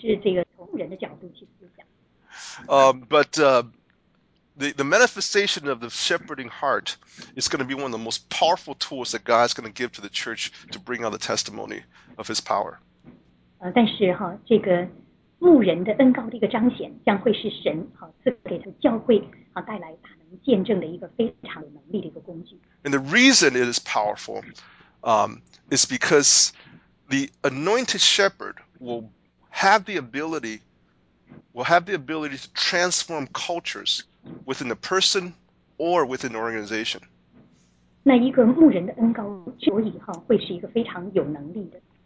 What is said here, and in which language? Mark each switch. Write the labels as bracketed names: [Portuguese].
[Chinese] 因为我过去常常想我是做策划的，我没有那么多想是这个从人的角度去思想。 [English] But the manifestation of the shepherding heart is going to be one of the most powerful tools that God is going to give to the church to bring out the testimony of his power. [Chinese] 但是这个牧人的恩膏的一个彰显，将会是神赐给他的教会，带来他能见证的一个非常有能力的一个工具。 [English] And the reason it is powerful is because the anointed shepherd will have the ability to transform cultures within the person or within the organization. [Chinese] 那一个牧人的恩膏，所以会是一个非常有能力的。